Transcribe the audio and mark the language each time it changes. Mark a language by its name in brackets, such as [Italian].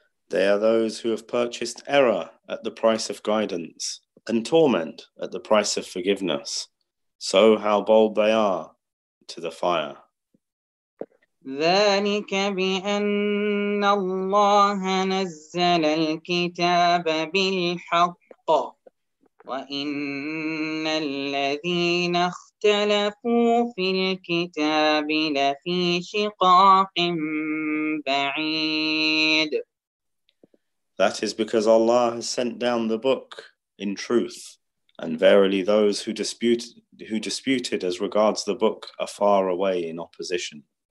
[English] They are those who have purchased error at the price of guidance and torment at the price of forgiveness. So how bold they are to the fire. [Arabic] ذلك بأن الله نزل الكتاب بالحق وإن الذين اختلفوا في الكتاب لفي شقاق بعيد. [English] That is because Allah has sent down the book in truth, and verily those who disputed as regards the book are far away in opposition.